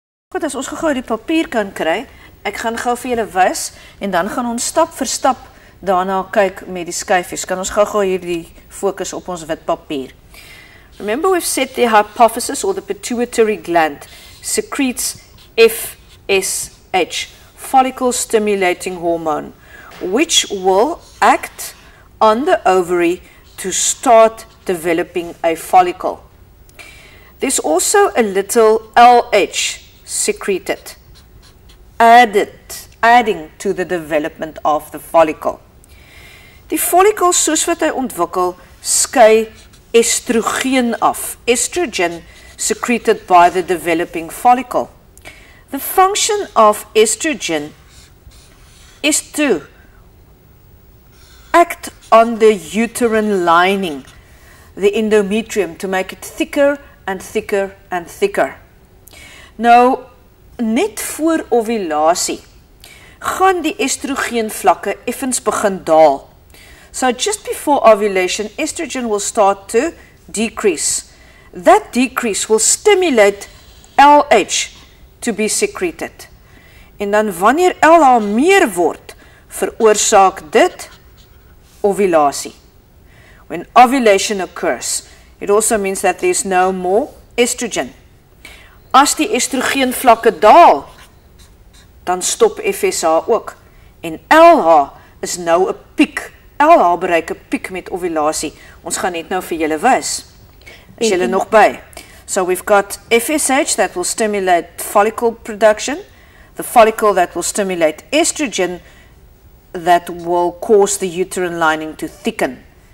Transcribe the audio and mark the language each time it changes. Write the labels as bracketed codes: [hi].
[af] Goed, as ons gou die papier kan kry, ek gaan gou vir julle wys en dan gaan ons stap vir stap daarna kyk met die skyfies. Kan ons gou hierdie fokus op ons wit papier. [en] Remember we've said the hypothesis or the pituitary gland secretes FSH, follicle stimulating hormone, which will act on the ovary to start developing a follicle. There's also a little LH secreted, adding to the development of the follicle. [af] Die follicle, soos wat hy ontwikkel, skei estrogen af, [en] estrogen secreted by the developing follicle. The function of estrogen is to act on the uterine lining, the endometrium, to make it thicker and thicker and thicker. [af] Nou, net voor ovulasie, gaan die estrogen vlakke effens begin daal. [en] So just before ovulation, estrogen will start to decrease. That decrease will stimulate LH to be secreted. [af] En dan wanneer LH meer word, veroorsaak dit ovulasie. [en] When ovulation occurs, it also means that there is no more estrogen. [af] As die estrogen vlakke daal, dan stop FSH ook. En LH is nou 'n piek. LH bereik 'n piek met ovulasie. Ons gaan net nou vir julle wys. Is julle nog by? [en] So we've got FSH that will stimulate follicle production, the follicle that will stimulate estrogen that will cause the uterine lining to thicken.